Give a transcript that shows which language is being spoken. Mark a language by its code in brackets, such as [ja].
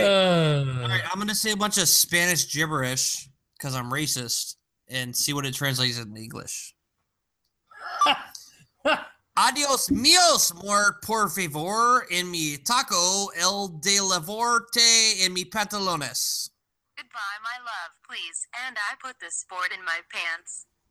[en] All right, I'm going to say a bunch of Spanish gibberish because I'm racist and see what it translates in English. [es] Adios mios, more por favor, en mi taco, el de la vorte, en mi pantalones. [en] Goodbye, my love, please. And I put the sport in my pants.